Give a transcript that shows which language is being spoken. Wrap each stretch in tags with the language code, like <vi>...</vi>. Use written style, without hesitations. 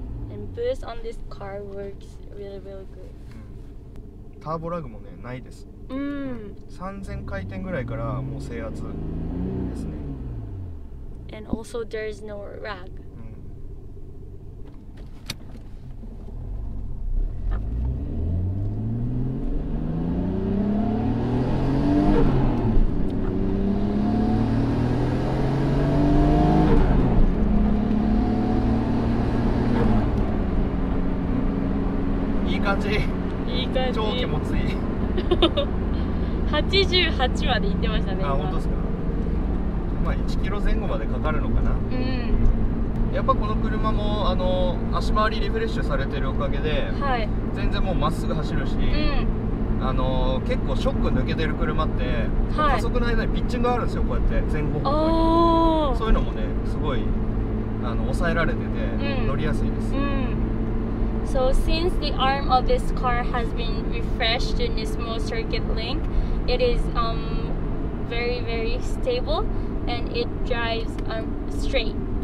<en>And boost on this car works really, really good.</en> <ja>ターボラグもね、ないです。うん。 3000回転ぐらいからもう制圧ですね。</ja> <en>And also there is no rag.</en> <ja>うん。いい感じ。超気持ちいい。88まで行ってましたね。あ、本当ですか。まあ、1キロ前後までかかるのかな。うん、やっぱこの車もあの足回りリフレッシュされてるおかげで、はい、全然もうまっすぐ走るし、うん、あの結構ショック抜けてる車って、はい、加速の間にピッチングがあるんですよ、こうやって前後方向に。そういうのもね、すごいあの抑えられてて、うん、乗りやすいです。うん、</ja> <en>So since the arm of this car has been refreshed in a small circuit link, it is very, very stable and it drives straight.</en>